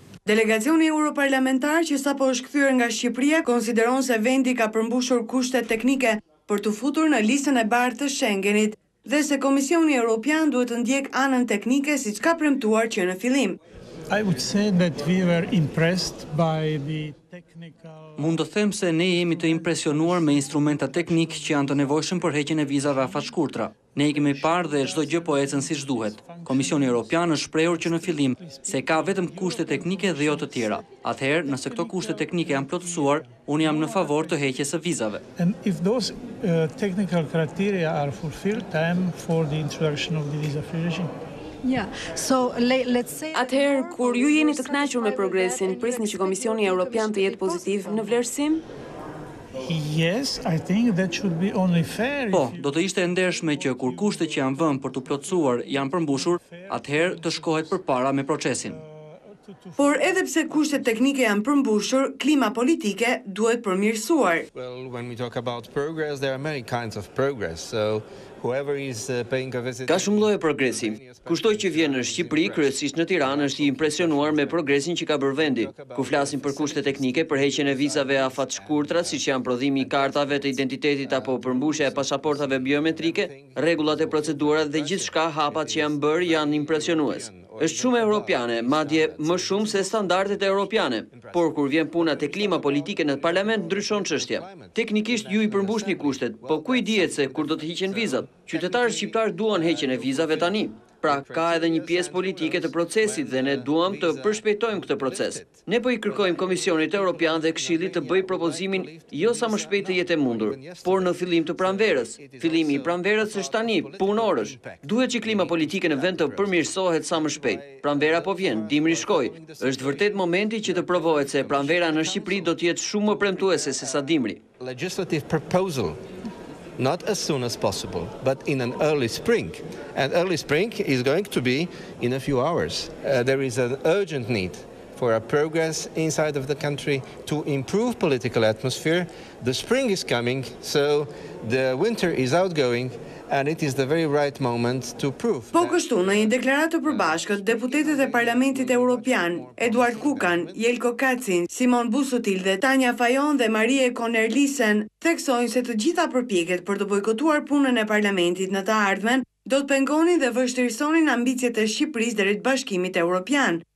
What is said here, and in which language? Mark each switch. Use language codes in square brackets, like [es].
[sq] Delegacioni europarlamentar që sapo është kthyer nga Shqipëria konsideron se vendi ka përmbushur kushtet teknike për të futur në listën e bardhë të Schengenit dhe se Komisioni Europian duhet të ndjek anën teknike siç ka premtuar që në fillim. [en] I would say that we were impressed by the technical... [sq] Mund të them se ne jemi të impresionuar me instrumenta teknik që janë të nevojshëm për heqjen e vizave afatshkurtra. Ne i kemi parë dhe çdo gjë po ecën siç duhet. Komisioni Evropian është shprehur që në fillim se ka vetëm kushte teknike dhe jo të tjera. Atëherë, nëse këto kushte teknike janë plotësuar, unë jam në favor të heqjes së vizave. [en] And if those technical criteria are fulfilled, I'm for the introduction of the visa-free regime. [sq] Atëherë, kur ju jeni të kënaqur me progresin, prisni që Komisioni Evropian të jetë pozitiv në vlerësim? [en] Yes, I think that should be only fair. [sq] Po, do të ishte e ndershme që kur kushtet që janë vënë për të plotësuar janë përmbushur, atëherë të shkohet përpara me procesin. Por edhe pse kushtet teknike janë përmbushur, klima politike duhet përmirësuar. [en] Well, when we talk about progress, there are many kinds of progress. So whoever is paying a visit. [sq] Ka shumë lloje progresi. Kushdo që vjen në Shqipëri, kryesisht në Tiranë, është i impresionuar me progresin që ka bërë vendi. Ku flasim për kushtet teknike, për heqjen e vizave afatshkurtra, siç janë prodhimi i kartave të identitetit apo përmbushja e pasaportave biometrike, rregullat e procedurave dhe gjithçka, hapat që janë bërë janë impresionues. Është shumë europiane, madje më shumë se standardet europiane. Por kur vjen puna te klima politike në parlament ndryshon çështja. Teknikisht ju i përmbushni kushtet, po ku i dihet se kur do të hiqen vizat? Qytetarët shqiptar duan heqjen e vizave tani. Pra ka edhe një pjesë politike të procesit dhe ne duam të përshpejtojmë këtë proces. Ne po i kërkojmë Komisionit Evropian dhe Këshillit të bëjë propozimin jo sa më shpejt të jetë e mundur, por në fillim të pranverës. Fillimi i pranverës është tani, punorësh. Duhet që klima politike në vend të përmirësohet sa më shpejt. Pranvera po vjen, dimri shkoi. Është vërtet momenti që të provohet se pranvera në Shqipëri do të jetë shumë më premtuese se sa dimri. [en] Legislative proposal. Not as soon as possible, but in an early spring. And early spring is going to be in a few hours. There is an urgent need. for a progress inside of the country to improve political atmosphere. The spring is coming, so the winter is outgoing. And it is the very right moment to prove. [sq] Po kështu, në një deklaratë të përbashkët, deputetët e Parlamentit Evropian, Eduard Kukan, Jelko Kacin, Simon Busutil dhe Tanja Fajon dhe Marie Konerlisen, theksojnë se të gjitha përpjeket për të bojkotuar punën e Parlamentit në të ardhmen, do të pengonin dhe vështirësonin ambicjet e Shqipërisë drejt Bashkimit Evropian.